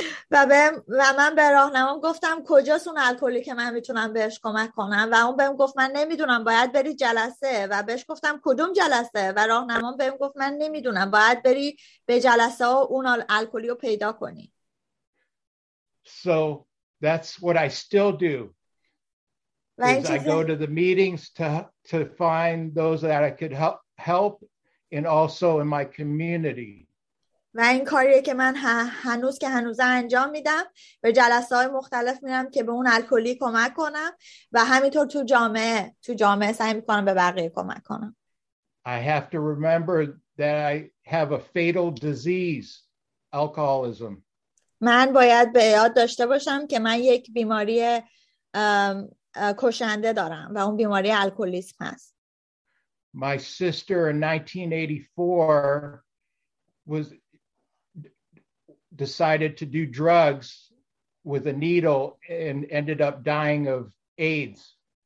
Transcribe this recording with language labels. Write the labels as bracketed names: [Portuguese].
[Persian] و من به راهنمام گفتم کجاست اون الکلی که من میتونم بهش کمک کنم، و اون بهم گفت من نمیدونم، باید بری جلسه. و بهش گفتم کدوم جلسه، و راهنمام بهم گفت من نمیدونم، باید بری به جلسه و اون الکلی رو پیدا کنی. [English] So that's what I still do. Is I go to the meetings to find those that I could help and also in my community. [Persian] و این کاریه که من هنوز که هنوز انجام میدم، به جلسه های مختلف میرم که به اون الکلی کمک کنم، و همینطور تو جامعه سعی میکنم به بقیه کمک کنم. [English] I have to remember that I have a fatal disease, alcoholism. [Persian] من باید به یاد داشته باشم که من یک بیماری کشنده دارم و اون بیماری الکلیسم هست. [English] My sister in 1984 decided to do drugs with a needle and ended up dying of AIDS.